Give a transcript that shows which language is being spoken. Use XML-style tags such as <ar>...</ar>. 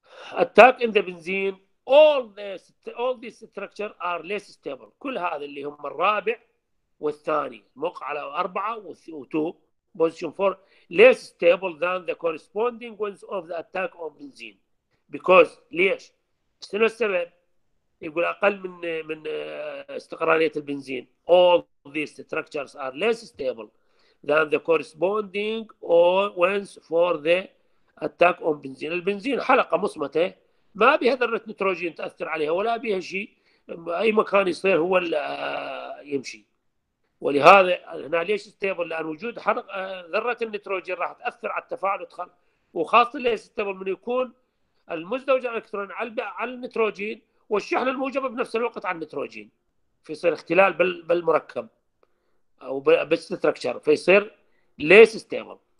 <en>attack on the benzene all these structures are less stable،</en> <ar>كل هذا اللي هم الرابع والثاني موقع على اربعه و2 بوزيشن 4</ar> <en>less stable than the corresponding ones of the attack on benzene. Because</en> <ar>ليش؟ شنو السبب؟ يقول أقل من استقرارية البنزين.</ar> <en>All these structures are less stable than the corresponding ones for the attack on benzene.</en> <ar>البنزين حلقة مصمتة ما بها ذرة نيتروجين تأثر عليها ولا بها شيء، أي مكان يصير هو اللي يمشي. ولهذا هنا ليش ستيبل؟ لان وجود حرق ذره النيتروجين راح تاثر على التفاعل وتخل، وخاصه ليش ستيبل؟ من يكون المزدوج الالكترون على النيتروجين والشحنه الموجبه بنفس الوقت على النيتروجين، فيصير اختلال بالمركب او بالستركتشر فيصير ليش ستيبل.</ar>